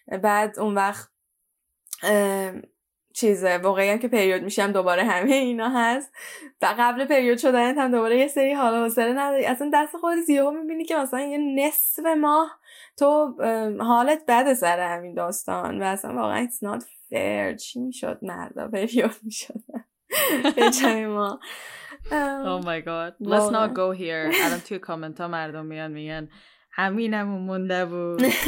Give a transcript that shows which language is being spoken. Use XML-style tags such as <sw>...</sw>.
<fa>بعد اون وقت چیزه واقعی هم که پریود میشم دوباره همه اینا هست. و قبل پریود شدنت هم دوباره یه سری حالا حسن نداری، اصلا دست خودت یه هم میبینی که مثلا یه نصف ماه تو حالت بده سر همین داستان. و اصلا واقعا</fa> <en>it's not fair.</en> <fa>چی میشد مردا پریود میشدن بچه‌ی ما؟</fa> <en>Oh my god, let's not go here.</en> <fa>الان توی کامنت ها مردم میان میگن همینم مونده بود.</fa>